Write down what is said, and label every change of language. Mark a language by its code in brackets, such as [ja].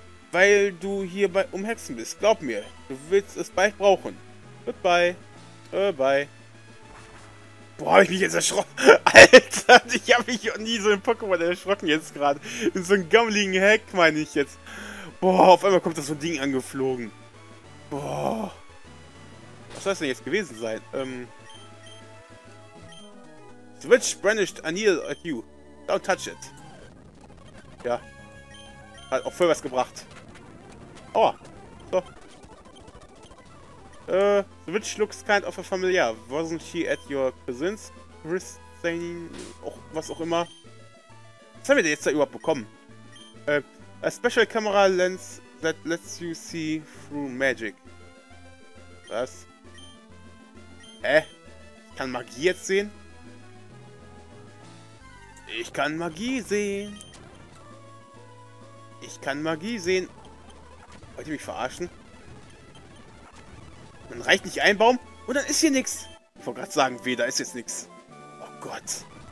[de] Weil du hier bei um Hexen bist. Glaub mir, du willst es bald brauchen. [en] Goodbye. Bye. [de] Boah, hab ich mich jetzt erschrocken. Alter, ich habe mich auch nie so im Pokémon erschrocken jetzt gerade. In so einem gammeligen Heck, meine ich jetzt. Boah, auf einmal kommt da so ein Ding angeflogen. Boah. Was soll das denn jetzt gewesen sein? [en] Switch brandished a needle at you. Don't touch it. [de] Ja. Hat auch voll was gebracht. Aua. So. [en] Switch looks kind of a familiar. Wasn't she at your cousin's christening? [de] Auch was auch immer. Was haben wir denn jetzt da überhaupt bekommen? [en] A special camera lens that lets you see through magic. [de] Was? Ich kann Magie jetzt sehen? Ich kann Magie sehen. Ich kann Magie sehen. Wollt ihr mich verarschen? Dann reicht nicht ein Baum und dann ist hier nichts. Ich wollte gerade sagen, weh, da ist jetzt nichts. Oh Gott.